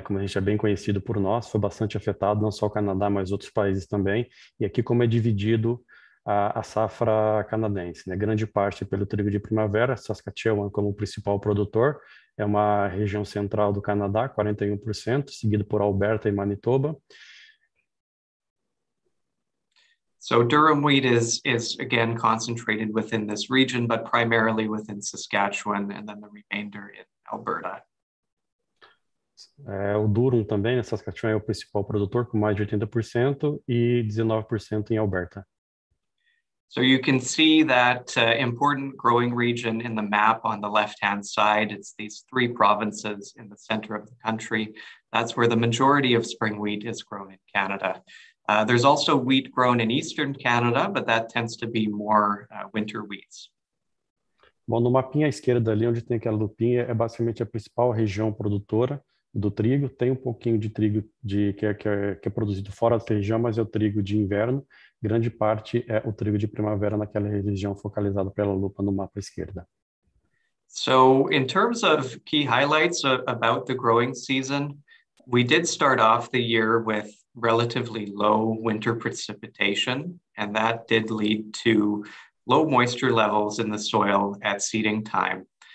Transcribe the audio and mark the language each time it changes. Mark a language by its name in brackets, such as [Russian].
[Portuguese] Como a gente é bem conhecido por nós, foi bastante afetado, não só o Canadá, mas outros países também. E aqui como é dividido a safra canadense, né? Grande parte pelo trigo de primavera, Saskatchewan como principal produtor, é uma região central do Canadá, 41%, seguido por Alberta e Manitoba. [English] So durum wheat is again concentrated within this region, but primarily within Saskatchewan, and then the remainder in Alberta. [Portuguese] O durum também, Saskatchewan é o principal produtor, com mais de 80%, e 19% em Alberta. [English] So you can see that important growing region in the map on the left-hand side. It's these three provinces in the center of the country. That's where the majority of spring wheat is grown in Canada. There's also wheat grown in eastern Canada, but that tends to be more winter wheats. [Portuguese] Bom, no mapinha à esquerda ali, onde tem aquela lupinha, é basicamente a principal região produtora do trigo. Tem um pouquinho de trigo que é produzido fora da região, mas é o trigo de inverno. Grande parte é o trigo de primavera naquela região focalizada pela lupa no mapa à esquerda. [English] So, in terms of key highlights about the growing season, we did start off the year with relatively low winter precipitation, and that did lead to low moisture levels in the soil at seeding time.